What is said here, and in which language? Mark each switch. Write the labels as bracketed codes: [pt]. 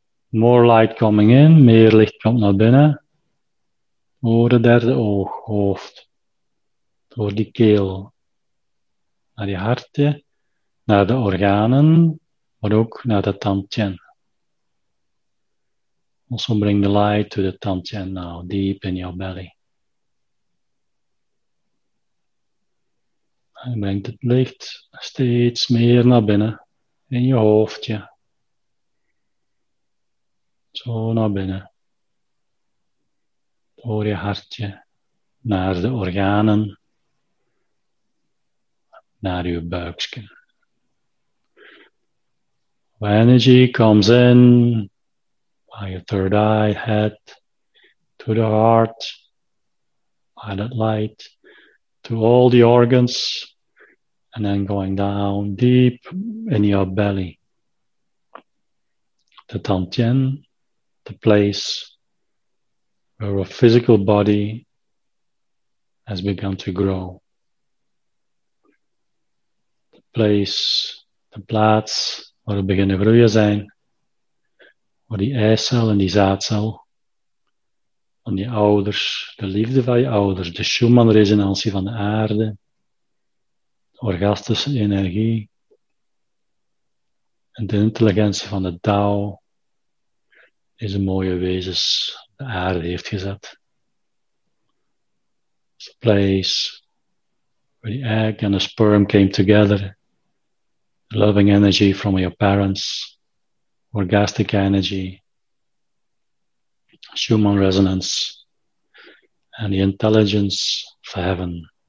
[en] More light coming in, [nl] meer licht komt naar binnen. Door het derde oog, hoofd. Door die keel. Naar je hart, naar de organen, maar ook naar de tantien. [en] Also bring the light to the tantien now, deep in your belly. [nl] En brengt het licht steeds meer naar binnen, in je hoofdje. Zo naar binnen. Door je hartje, naar de organen. Naar uw buikje. [en] Energy comes in by your third eye, head, to the heart, by that light, to all the organs, and then going down deep in your belly. The Tantien, the place where a physical body has begun to grow. [nl] Place, de plaats waar we beginnen groeien zijn, waar die eicel en die zaadcel van die ouders, de liefde van je ouders, de Schumann-resonantie van de aarde, de orgastische energie en de intelligentie van de Tao, deze mooie wezens de aarde heeft gezet. [en] The place where the egg and the sperm came together. Loving energy from your parents, orgastic energy, Schumann resonance, and the intelligence of heaven.